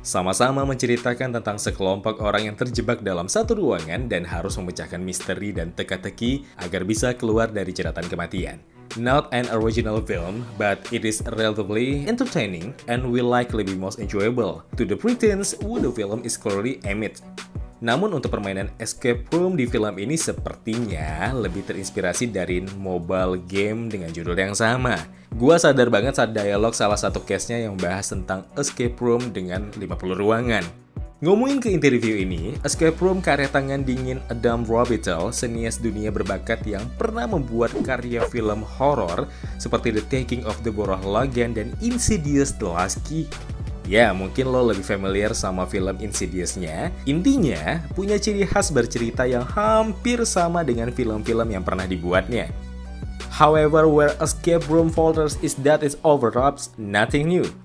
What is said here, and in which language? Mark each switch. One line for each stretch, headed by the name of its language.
Indonesian: Sama-sama menceritakan tentang sekelompok orang yang terjebak dalam satu ruangan dan harus memecahkan misteri dan teka-teki agar bisa keluar dari jeratan kematian.
English: Not an original film, but it is relatively entertaining and will likely be most enjoyable to the Britons who the film is clearly aimed.
Indonesian: Namun untuk permainan escape room di film ini sepertinya lebih terinspirasi dari mobile game dengan judul yang sama. Gua sadar banget saat dialog salah satu case-nya yang membahas tentang escape room dengan 50 ruangan. Ngomongin ke inti review ini, escape room karya tangan dingin Adam Robitel, senias dunia berbakat yang pernah membuat karya film horror seperti The Taking of Deborah Logan dan Insidious The Last Key. Ya, mungkin lo lebih familiar sama film Insidious-nya. Intinya, punya ciri khas bercerita yang hampir sama dengan film-film yang pernah dibuatnya.
English: However, where escape room falters is that it overlaps, nothing new.